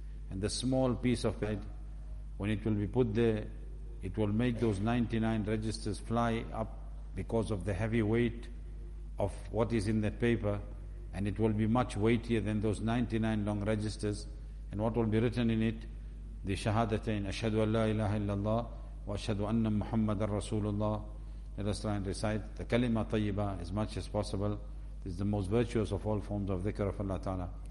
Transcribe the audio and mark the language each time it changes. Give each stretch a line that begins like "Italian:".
English: And the small piece of it, when it will be put there, it will make those 99 registers fly up because of the heavy weight of what is in that paper. And it will be much weightier than those 99 long registers. And what will be written in it?
Arabic: بشهادتين أشهد أن لا إله إلا الله وأشهد أن محمد رسول الله.
English: Let us try and recite the kalima tayyiba as much as possible. It is the most virtuous of all forms of dhikr of Allah Ta'ala.